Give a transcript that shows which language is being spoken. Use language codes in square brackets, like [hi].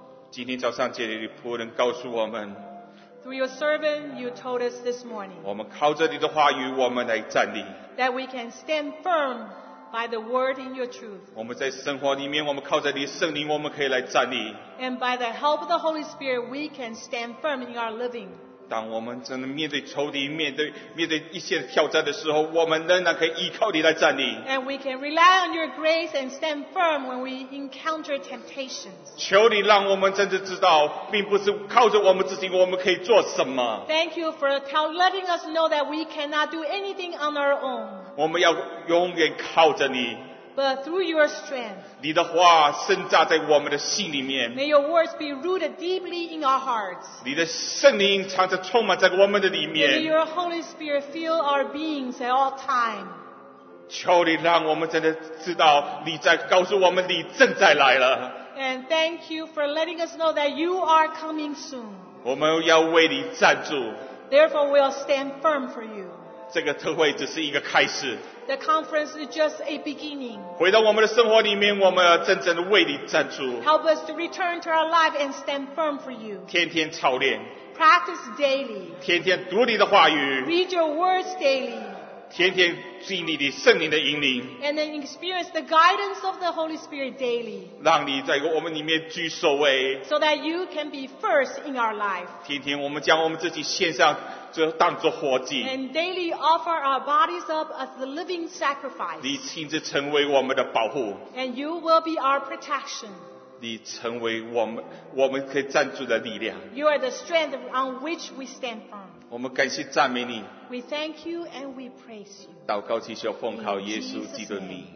[zh] 今天早上借你的仆人告诉我们， [en] Through your servant, you told us this morning. [zh] 我们靠着你的话语，我们来站立。 [en] That we can stand firm by the word in your truth. [zh] 我们在生活里面，我们靠着你圣灵，我们可以来站立。 [en] And by the help of the Holy Spirit, we can stand firm in our living. [zh] 当我们真的面对仇敌，面对一切挑战的时候，我们仍然可以依靠你来站立。 [en] And we can rely on your grace and stand firm when we encounter temptations. [zh] 求你让我们真的知道，并不是靠着我们自己，我们可以做什么。 [en] Thank you for letting us know that we cannot do anything on our own. [zh] 我们要永远靠着你。 [en] But through your strength, [zh] 你的话深扎在我们的心里面。 [en] May your words be rooted deeply in our hearts. [zh] 你的圣灵常常充满在我们的里面。 [en] May your Holy Spirit fill our beings at all times. [zh] 求你让我们真的知道你在告诉我们你正在来了。 [en] And thank you for letting us know that you are coming soon. [zh] 我们要为你站住。 [en] Therefore, we'll stand firm for you. [zh] 这个特会只是一个开始。 [en] The conference is just a beginning. [zh] 回到我们的生活里面，我们要真正的为你站住。 [en] Help us to return to our life and stand firm for you. [zh] 天天操练。 [en] Practice daily. [zh] 天天读你的话语。 [en] Read your words daily. [zh] 天天经历你圣灵的引领。 [en] And then experience the guidance of the Holy Spirit daily. [zh] 让你在我们里面居首位。 [en] So that you can be first in our life. [zh] 天天我们将我们自己献上。就当作活祭。 [en] And daily offer our bodies up as the living sacrifice. [zh] 你亲自成为我们的保护。 [en] And you will be our protection. [zh] 你成为我们可以站住的力量。 [en] You are the strength on which we stand firm. [zh] 我们感谢赞美你。 [en] We thank you and we praise you. [zh] 祷告祈求奉靠耶稣基督的名。